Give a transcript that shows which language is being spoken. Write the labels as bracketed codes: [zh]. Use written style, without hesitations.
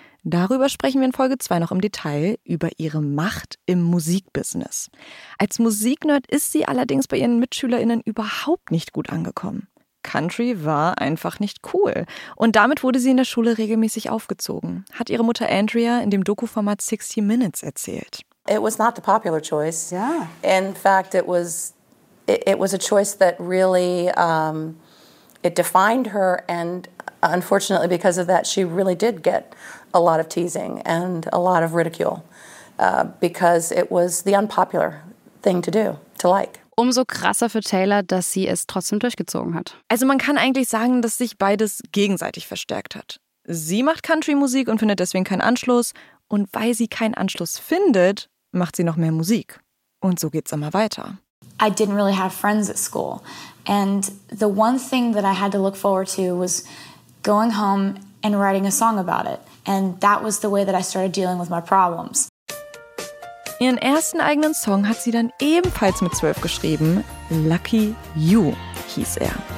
[de] Darüber sprechen wir in Folge 2 noch im Detail, über ihre Macht im Musikbusiness. Als Musiknerd ist sie allerdings bei ihren MitschülerInnen überhaupt nicht gut angekommen. Country war einfach nicht cool. Und damit wurde sie in der Schule regelmäßig aufgezogen, hat ihre Mutter Andrea in dem Doku-Format 60 Minutes erzählt. [en] It was not the popular choice. Yeah. In fact, it was a choice that really it defined her and unfortunately because of that she really did get a lot of teasing and a lot of ridicule because it was the unpopular thing to do, to like. [de] Umso krasser für Taylor, dass sie es trotzdem durchgezogen hat. Also man kann eigentlich sagen, dass sich beides gegenseitig verstärkt hat. Sie macht Country-Musik und findet deswegen keinen Anschluss. Und weil sie keinen Anschluss findet, macht sie noch mehr Musik. Und so geht's immer weiter. [en] I didn't really have friends at school. And the one thing that I had to look forward to was going home and writing a song about it. And that was the way that I started dealing with my problems. [de] Ihren ersten eigenen Song hat sie dann ebenfalls mit 12 geschrieben. Lucky You hieß er.